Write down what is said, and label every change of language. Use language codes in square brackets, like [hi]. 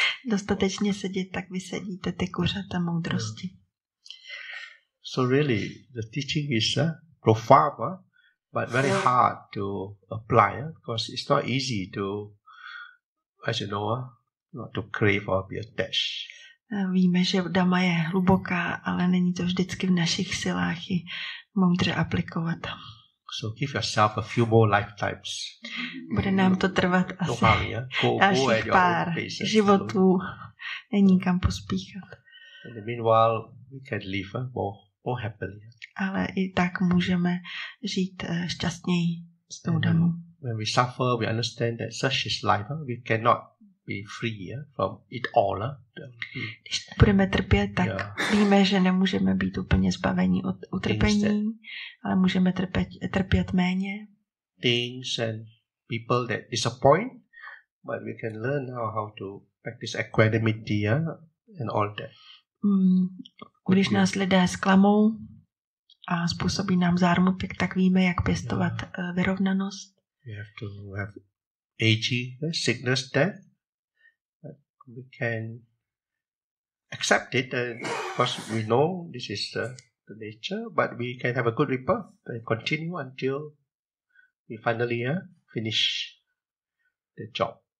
[cs] Dostatečně sedět, tak vysedíte ty kuřata moudrosti. [en] So really, the teaching is profound, but very hard to apply, because it's not easy to, as you know, not to crave or be attached. [cs] Víme, že dhamma je hluboká, ale není to vždycky v našich silách ji moudře aplikovat. [en] So give yourself a few more lifetimes. [cs] Bude nám to trvat asi dalších pár životů. Není kam pospíchat. [en] And meanwhile, we can live more happily. [cs] Ale i tak můžeme žít šťastněji s tou dhammou. [en] When we suffer, we understand that such is life. We cannot be free from it all. [cs] Když budeme trpět, tak víme, že nemůžeme být úplně zbaveni od utrpení, ale můžeme trpět méně. [en] Things and people that disappoint, but we can learn now how to practice equanimity and all that. [cs] Když nás lidé zklamou a způsobí nám zármutek, tak víme, jak pěstovat vyrovnanost. [en] We have to have aging, sickness, death. We can accept it, because we know this is the nature, but we can have a good rebirth and continue until we finally finish the job.